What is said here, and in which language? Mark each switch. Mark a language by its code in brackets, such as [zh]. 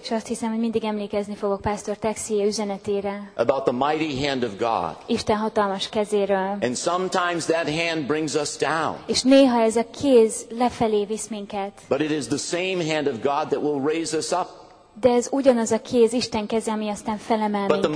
[hu] És azt hiszem, hogy mindig emlékezni fogok Pastor Texier üzenetére. [en] About the mighty hand of God. [hu] Isten hatalmas kezéről. [en] And sometimes that hand brings us down. [hu] És néha ez a kéz lefelé visz minket. [en] But it is the same hand of God that will raise us up. [hu] De ez ugyanaz a kéz, Isten keze, ami aztán felemel